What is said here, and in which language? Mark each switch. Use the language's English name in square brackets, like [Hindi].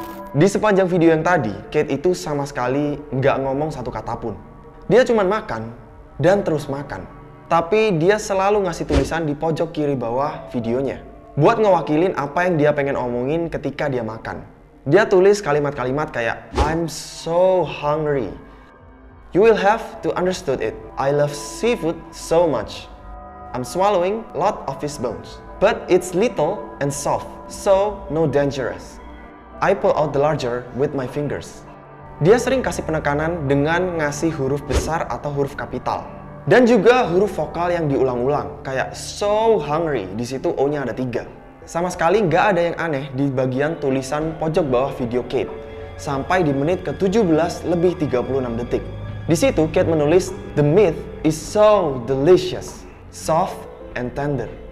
[Indonesian] Di sepanjang video yang tadi, Kate itu sama sekali nggak ngomong satu kata pun. Dia cuma makan dan terus makan. Tapi dia selalu ngasih tulisan di pojok kiri bawah videonya. Buat ngewakilin apa yang dia pengen omongin ketika dia makan. Dia tulis kalimat-kalimat kayak, [English] I'm so hungry. You will have to understood it. I love seafood so much. I'm swallowing lot of fish bones. But it's little and soft, so no dangerous. I pull out the larger with my fingers. [Indonesian] dia sering kasih penekanan dengan ngasih huruf besar atau huruf kapital. Dan juga huruf vokal yang diulang-ulang, kayak [English] so hungry, [Indonesian] di situ O-nya ada 3. Sama sekali nggak ada yang aneh di bagian tulisan pojok bawah video Kate, sampai di menit ke-17 lebih 36 detik. Di situ Kate menulis, [English] "The meat is so delicious, soft and tender."